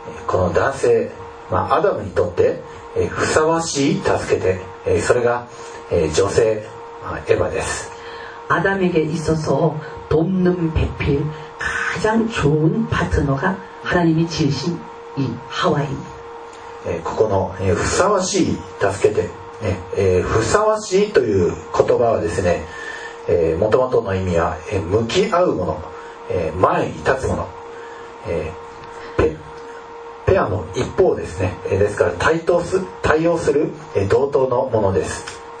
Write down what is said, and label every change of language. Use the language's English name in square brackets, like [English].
[Japanese] 그는男性、まあ、アダムにとってふさわしい助け手それが女性、まあ、エヴァです。 [Korean] 아담에게있어서돕는배필가장좋은파트너가하나님이지으신이하와입니다 [Japanese] ここのふさわしい助けてふさわしいという言葉はですね元々の意味は向き合うもの前に立つものペアの一方ですねですから対応する同等のものです。